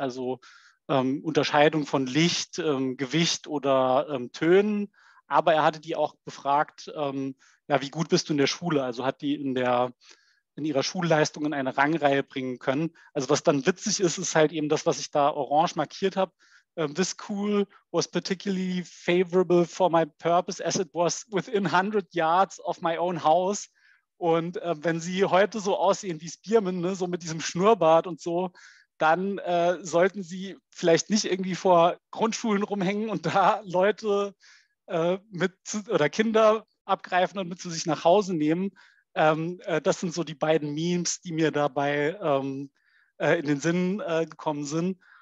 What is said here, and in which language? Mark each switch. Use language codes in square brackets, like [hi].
[de] Also Unterscheidung von Licht, Gewicht oder Tönen. Aber er hatte die auch befragt, wie gut bist du in der Schule? Also hat die in ihrer Schulleistung in eine Rangreihe bringen können. Also was dann witzig ist, ist halt eben das, was ich da orange markiert habe. [en] This school was particularly favorable for my purpose as it was within 100 yards of my own house. [de] Und wenn sie heute so aussehen wie Spearman, ne, so mit diesem Schnurrbart und so, dann sollten sie vielleicht nicht irgendwie vor Grundschulen rumhängen und da Leute oder Kinder abgreifen und mit zu sich nach Hause nehmen. Das sind so die beiden Memes, die mir dabei in den Sinn gekommen sind.